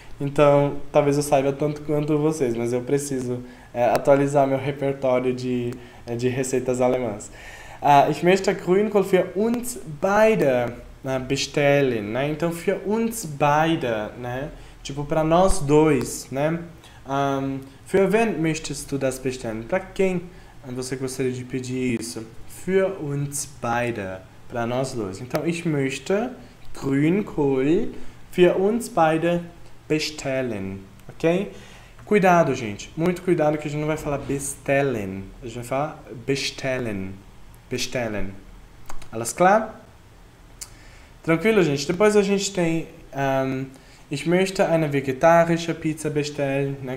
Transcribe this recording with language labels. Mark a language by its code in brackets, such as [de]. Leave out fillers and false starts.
[pt] Então, talvez eu saiba tanto quanto vocês, mas eu preciso atualizar meu repertório de receitas alemãs. [de] Ich möchte Grünkohl für uns beide bestellen, né? [pt] Então, für uns beide, né? Tipo, para nós dois, né? [de] Für wen möchtest du das bestellen? [pt] Para quem você gostaria de pedir isso? [de] Für uns beide. Para nós dois. Então, ich möchte Grünkohl für uns beide bestellen. [pt] Ok? Cuidado, gente. Muito cuidado, que a gente não vai falar bestellen. A gente vai falar bestellen. Bestellen. Alles klar? Tranquilo, gente. [de] Depois a gente tem ich möchte eine vegetarische Pizza bestellen, né?